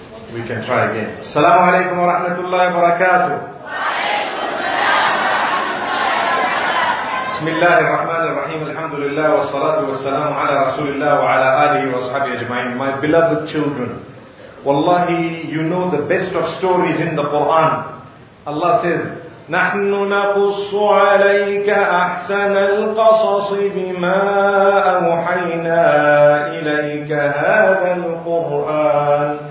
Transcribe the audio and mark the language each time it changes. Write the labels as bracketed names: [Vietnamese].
[English] We can try again. [Arabic] السلام عليكم ورحمة الله وبركاته. بسم الله الرحمن الرحيم الحمد لله والصلاة والسلام على رسول الله وعلى آله وصحبه أجمعين. [English] My beloved children, wallahi, you know the best of stories in the Quran. Allah says, [Arabic] نحن نقص عليك أحسن القصص بما أوحينا إليك هذا القرآن.